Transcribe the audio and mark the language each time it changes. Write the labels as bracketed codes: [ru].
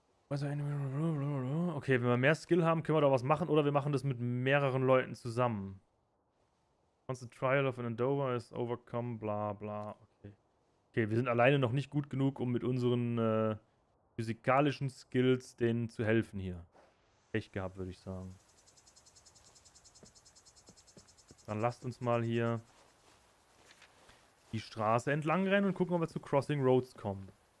[de] Was okay, wenn wir mehr Skill haben, können wir da was machen oder wir machen das mit mehreren Leuten zusammen. [en] Once the trial of an Andover is overcome, bla bla. Okay. [de] Okay, wir sind alleine noch nicht gut genug, um mit unseren physikalischen Skills denen zu helfen hier. Echt gehabt, würde ich sagen. Dann lasst uns mal hier die Straße entlang rennen und gucken, ob wir zu Crossing Roads kommen.